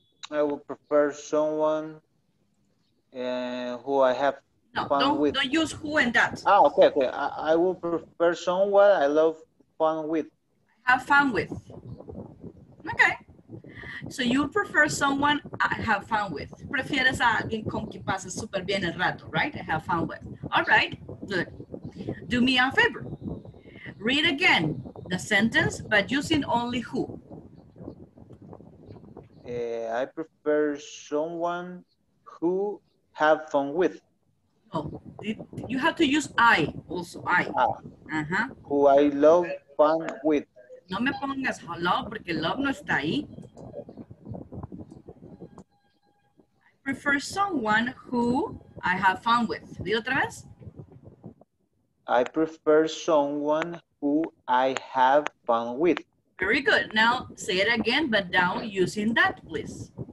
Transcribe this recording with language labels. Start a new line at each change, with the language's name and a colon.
English: I would prefer someone who I have fun with. No, don't use who and that. Oh, okay. I would prefer someone I love fun with. Have fun with. Okay. So you prefer someone I have fun with.
Spanish: Prefieres a alguien con quien pases super bien el rato,
English: right? I have fun with. All right. Good. Do me a favor. Read again the sentence, but using only who. I prefer someone who have fun with. Oh, you have to use I also, I. Who I love fun with.
Spanish: No me pongas love, porque love no está ahí.
English: I prefer someone who I have fun with.
Spanish: ¿Di otra vez?
English: I prefer someone who I have fun with. Very good. Now say it again, but now using that, please.